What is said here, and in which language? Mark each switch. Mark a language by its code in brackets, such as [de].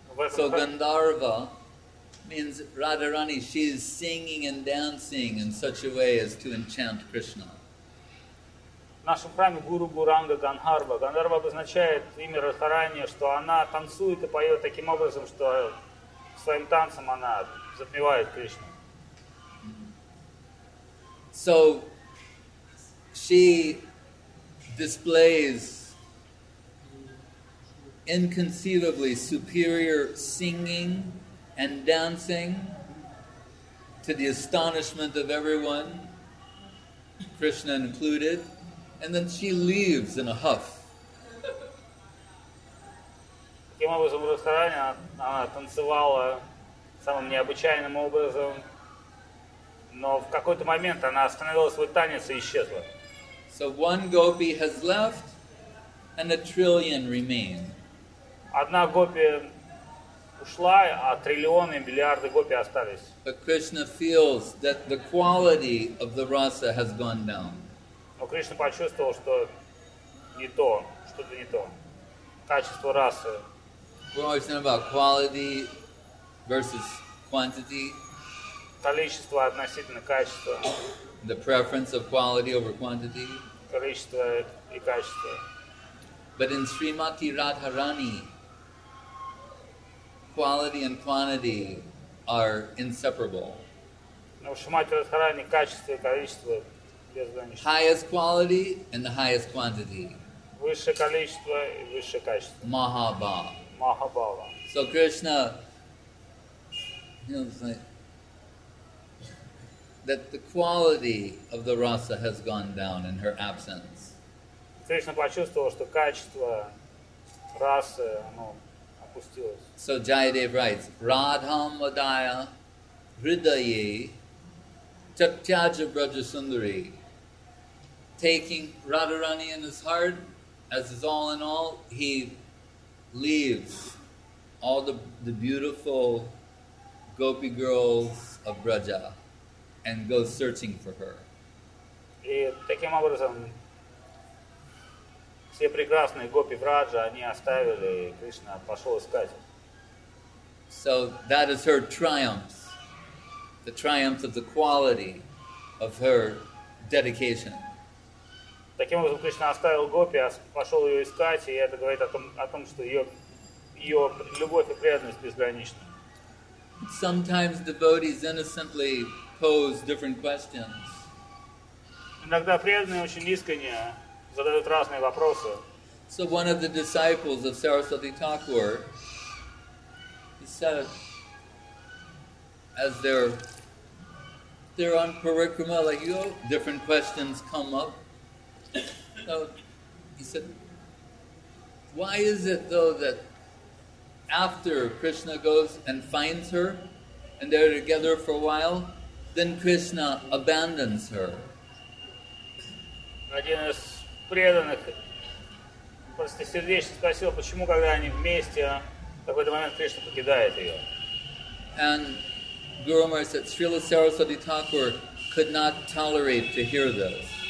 [en] So Gandharva means Radharani, she is singing and dancing in such a way as to enchant Krishna. [ru] Нашим храме Guru Gauranga Gandharva. Gandharva обозначает имя Радхарани, что она танцует и поет таким образом, что своим танцем она затмевает Кришну. [en] So she displays inconceivably superior singing and dancing to the astonishment of everyone, Krishna included, and then she leaves in a huff. [ru] Таким образом, в ресторане она танцевала самым необычайным образом, но в какой-то момент она остановила свой танец и исчезла. [en] So one gopi has left, and a trillion remain. [ru] Одна гопи ушла, а триллионы, миллиарды гопи остались. [en] But Krishna feels that the quality of the rasa has gone down. [ru] Но Кришна почувствовал, что не то, что-то не то. Качество расы. [en] We're always talking about quality versus quantity. [ru] Количество относительно качества. [en] The preference of quality over quantity. [ru] Количество и качество. [en] But in Srimati Radharani, quality and quantity are inseparable. [ru] Но в Шримати Радхарани качество и количество безграничны. [en] Highest quality and the highest quantity. [ru] Высшее количество и высшее качество. Mahabhava. Mahabhava. [en] So Krishna, you know, it's like that the quality of the rasa has gone down in her absence. [ru] Krishna почувствовал, что качество расы, оно опустилось. [en] So Jayadev writes, [sa] Radham Vadaya Hridaye Chatyaja Brajasundari, [en] taking Radharani in his heart as his all in all, he leaves all the beautiful gopi girls of Braja and goes searching for her. [ru] И таким образом все прекрасные гопи Браджа они оставили, и Кришна пошел искать. [en] So that is her triumph, the triumph of the quality of her dedication. [ru] Таким образом, Кришна оставил гопи, пошел ее искать, и это говорит о том, что ее любовь и преданность безграничны. [en] Sometimes devotees innocently pose different questions. [ru] Иногда преданные очень искренне задают разные вопросы. [en] So one of the disciples of Saraswati Thakur, he said, as they're on parikrama, like, you know, different questions come up. So he said, why is it though that after Krishna goes and finds her and they're together for a while, then Krishna abandons her? [ru] Один из преданных простосердечно спросил, почему когда они вместе, в какой-то момент Кришна покидает ее. [en] And Guru Maharaj said, Srila Saraswati Thakur could not tolerate to hear this.